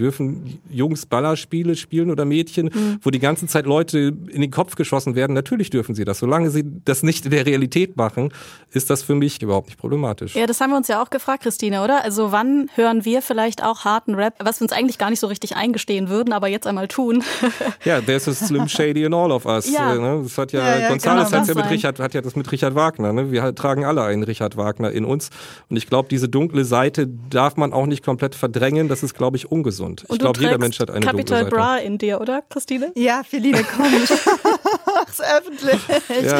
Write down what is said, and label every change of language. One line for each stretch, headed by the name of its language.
German: Dürfen Jungs Ballerspiele spielen oder Mädchen, wo die ganze Zeit Leute in den Kopf geschossen werden? Natürlich dürfen sie das. Solange sie das nicht in der Realität machen, ist das für mich überhaupt nicht problematisch. Ja, das haben wir uns ja auch gefragt, Christine, oder? Also wann hören wir vielleicht auch harten Rap, was wir uns eigentlich gar nicht so richtig eingestehen würden, aber jetzt einmal tun?
English: Ja, there's a Slim Shady in all of us.
German: Ja. Das hat ja, Gonzalez genau, hat das mit Richard Wagner. Wir tragen alle einen Richard Wagner in uns. Und ich glaube, diese dunkle Seite darf man auch nicht komplett verdrängen. Das ist, glaube ich, ungesund. Und ich glaube, jeder Mensch hat eine Capital dunkle Seite. Capital Bra in dir, oder, Christine? Ja, Feline, komm. Mach's öffentlich. Ja.